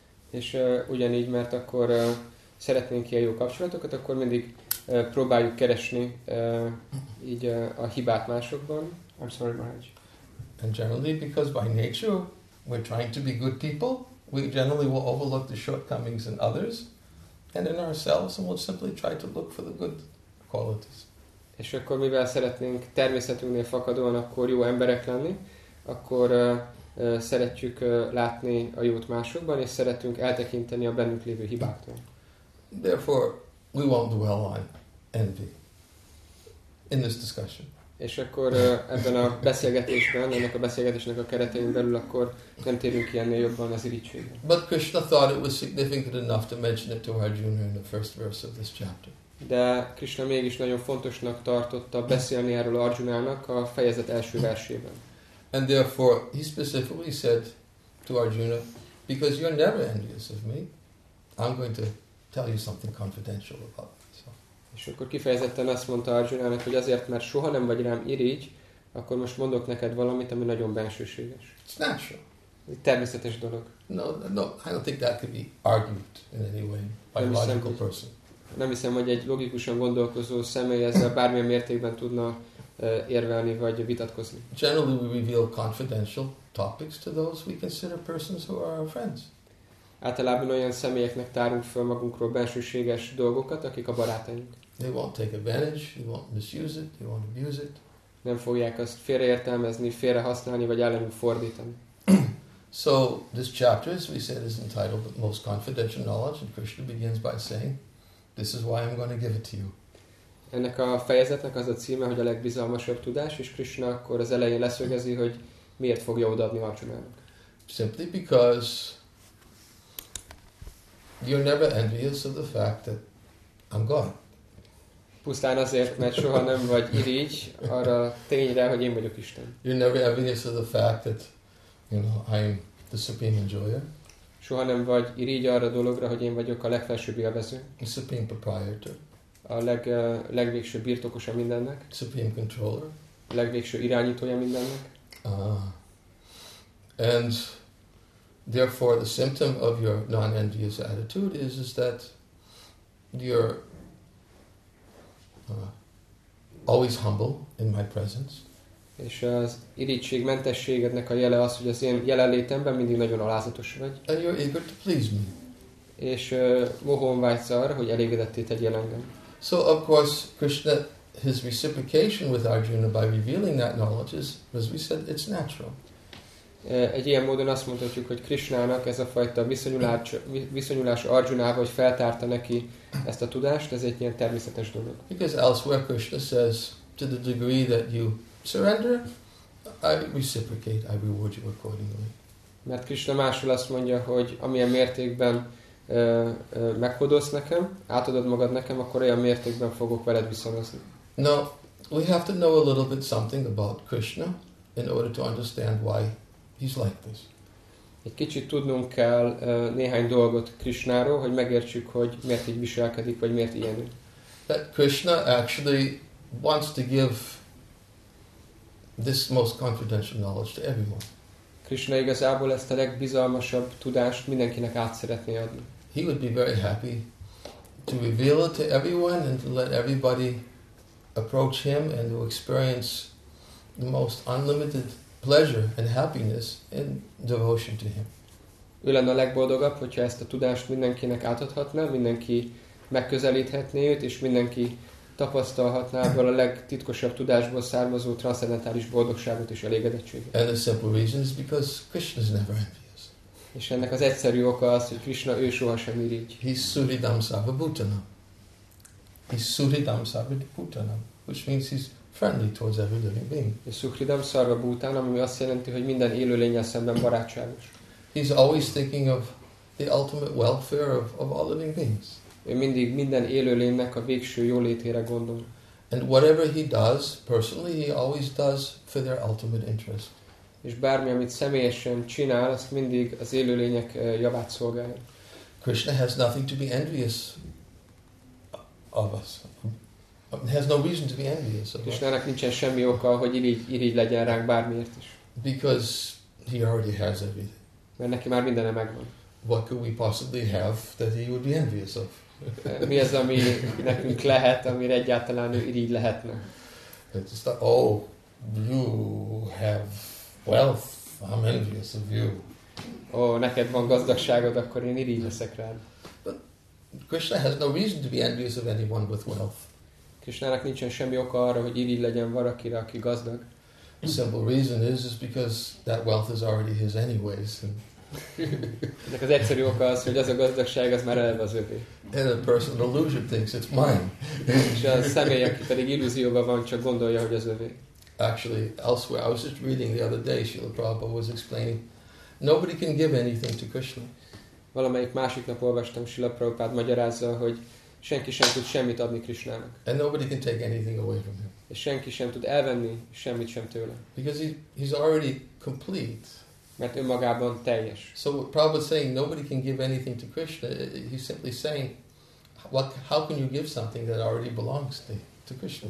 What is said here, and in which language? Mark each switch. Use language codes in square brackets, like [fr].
[hu] És ugyanígy, mert akkor szeretnénk ilyen jó kapcsolatokat, akkor mindig próbáljuk keresni így a hibát másokban. [en] I'm sorry, Maharaj. And generally, because by nature we're trying to be good people, we generally will overlook the shortcomings in others and in ourselves and we'll simply try to look for the good qualities. [hu] És akkor mivel szeretnénk természetünknél fakadóan akkor jó emberek lenni, akkor szeretjük látni a jót másokban, és szeretünk eltekinteni a bennünk lévő hibáktól. [en] Therefore, we won't dwell on envy in this discussion. [hu] És akkor ebben a beszélgetésben, ennek a beszélgetésnek a keretein belül, akkor nem térünk ki ennél jobban az irigységre. [en] But Krishna thought it was significant enough to mention it to Arjuna in the first verse of this chapter. [hu] De Krishna mégis nagyon fontosnak tartotta beszélni erről Arjunának a fejezet első versében. [en] And therefore, he specifically said to Arjuna, because you're never envious of me, I'm going to tell you something confidential about myself. [hu] És akkor kifejezetten azt mondta Arjunának, hogy azért, mert soha nem vagy rám irigy, akkor most mondok neked valamit, ami nagyon bensőséges. [en] It's natural. [hu] Ez egy természetes dolog. [en] No, I don't think that could be argued in any way by a logical person. [hu] Nem hiszem, hogy egy logikusan gondolkozó személy ezzel bármilyen mértékben tudna érvelni vagy vitatkozni. [en] Generally we reveal confidential topics to those we consider persons who are our friends. [hu] Általában olyan személyeknek tárunk fel magunkról bensőséges dolgokat, akik a barátaink. [en] They won't take advantage, they won't misuse it, they won't abuse it. [hu] Nem fogják azt félreértelmezni, félrehasználni vagy ellenük fordítani. [en] So this chapter, as we said, is entitled The Most Confidential Knowledge, and Krishna begins by saying, this is why I'm going to give it to you. [hu] Ennek a fejezetnek az a címe, hogy a legbizalmasabb tudás, és Krishna akkor az elején leszögezi, hogy miért fogja odaadni Arjunának. [en] Simply because you're never envious of the fact that I'm God. [hu] Pusztán azért, mert soha nem vagy irigy arra tényre, hogy én vagyok Isten. [en] You're never envious of the fact that, I'm the supreme enjoyer. [hu] Soha nem vagy irigy arra dologra, hogy én vagyok a legfelsőbb élvező. [en] The supreme proprietor. [hu] A legvégső birtokosa mindennek. [en] Supreme controller. [hu] Legvégső irányítója mindennek. [en] And therefore the symptom of your non-envious attitude is that you're always humble in my presence. [hu] És az irigység mentességednek a jele az, hogy az én jelenlétemben mindig nagyon alázatos vagy. [en] And you're eager to please me. [hu] És mohón vágysz arra, hogy elégedetté tegyél engem. [en] So of course Krishna, his reciprocation with Arjuna by revealing that knowledge is, as we said, it's natural. [hu] Egy ilyen módon azt mondhatjuk, hogy Krishnának ez a fajta viszonyulás Arjunával, hogy feltárta neki ezt a tudást, ez egy ilyen természetes dolog. [en] Because elsewhere Krishna says, to the degree that you surrender, I reciprocate, I reward you accordingly. [hu] Mert Krishna máshol azt mondja, hogy amilyen mértékben meghódolsz nekem, átadod magad nekem, akkor olyan mértékben fogok veled viszonyozni. [en] Now, we have to know a little bit something about Krishna in order to understand why he's like this. [hu] Egy kicsit tudnunk kell néhány dolgot Krishnáról, hogy megértsük, hogy miért így viselkedik, vagy miért ilyen. [en] That Krishna actually wants to give this most confidential knowledge to everyone. [hu] Krishna igazából ezt a legbizalmasabb tudást mindenkinek át szeretné adni. [en] He would be very happy to reveal it to everyone and to let everybody approach him and to experience the most unlimited pleasure and happiness in devotion to him. [hu] Ő lenne a legboldogabb, hogyha ezt a tudást mindenkinek átadhatna, mindenki megközelíthetné őt, és mindenki tapasztalhatná ebből a legtitkosabb tudásból származó transzcendentális boldogságot és elégedettséget. [en] And the simple reason is because Krishna is never envious. [hu] És ennek az egyszerű oka az, hogy Krishna ő sohasem irigy. [en] He's Suridam Sava Bhutanam. He's Suridam Sava Bhutanam, which means he's friendly towards every living being. [hu] És Suridam Sava Bhutanam, ami azt jelenti, hogy minden élőlényel szemben barátságos. [en] He's always thinking of the ultimate welfare of all living beings. [hu] Ő mindig minden élőlénynek a végső jólétére gondol. [en] And whatever he does personally, he always does for their ultimate interest. [hu] És bármi, amit személyesen csinál, azt mindig az élőlények javát szolgálja. [en] Krishna has nothing to be envious of us. He has no reason to be envious of us. [hu] Krishnának nincsen semmi oka, hogy irigy legyen ránk bármiért is. [en] Because he already has everything. [hu] Mert neki már mindene megvan. [en] What could we possibly have that he would be envious of? [hu] Mi az, ami nekünk lehet, amire egyáltalán ő irigy lehetne? [en] It's the, oh, you have wealth, I'm envious of you. [hu] Oh, neked van gazdagságod, akkor én irigy leszek rád. [en] But Krishna has no reason to be envious of anyone with wealth. [hu] Krishnának nincsen semmi oka arra, hogy irigy legyen valakire, aki gazdag. [en] The simple reason is because that wealth is already his anyways. [hu] Ennek az egyszerű oka az, hogy az a gazdagság, az már eleve az övé. [en] And a personal illusion thinks it's mine. [hu] És a személy, aki pedig illúzióban van, csak gondolja, hogy az övé. [en] Actually, elsewhere, I was just reading the other day, Srila Prabhupada was explaining, nobody can give anything to Krishna. [hu] Valamelyik másik nap olvastam, Srila Prabhupada magyarázza, hogy senki sem tud semmit adni Krishnának. [en] And nobody can take anything away from him. [hu] És senki sem tud elvenni semmit sem tőle. [en] Because he's already complete. [hu] Mert önmagában teljes. [en] So Prabhupada saying nobody can give anything to Krishna, he's simply saying, what, how can you give something that already belongs to Krishna?